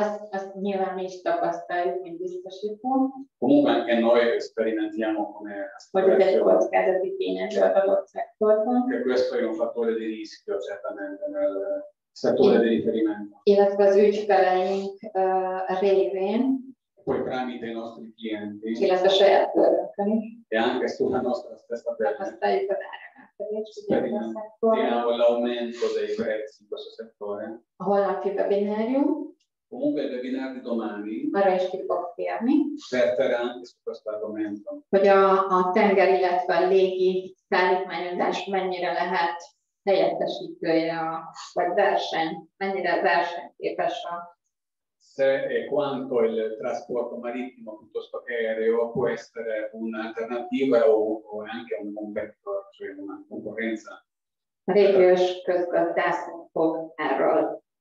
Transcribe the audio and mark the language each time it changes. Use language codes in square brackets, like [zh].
[hu] Azt nyilván mi is tapasztaljuk, mint biztosító. [it] Comunque anche noi experimentiamo come aspetto. [hu] Vagy egy kockázati tényező a adott szektorban. [it] Che questo è un fattore di rischio, certamente, nel settore di riferimento. [hu] Illetve az ügyfeleink révén. [it] Poi tramite i nostri clienti. [hu] Illetve a saját bőrökön is. [it] E anche sulla nostra stessa pelle. Abbiamo l'aumento dei prezzi in questo settore. [hu] Holnap [it] il webinario. Comunque il webinar di domani. [hu] Arra is fogok térni. [it] Verterà anche su questo argomento. [hu] Hogy a tenger, illetve a légi szállítmányozás mennyire lehet helyettesítője, vagy verseny, mennyire versenyképes a. [it] Se e quanto il trasporto marittimo piuttosto che aereo può essere un'alternativa o anche un competitor, cioè una concorrenza. [hu] Régiós közgazdászok fog erről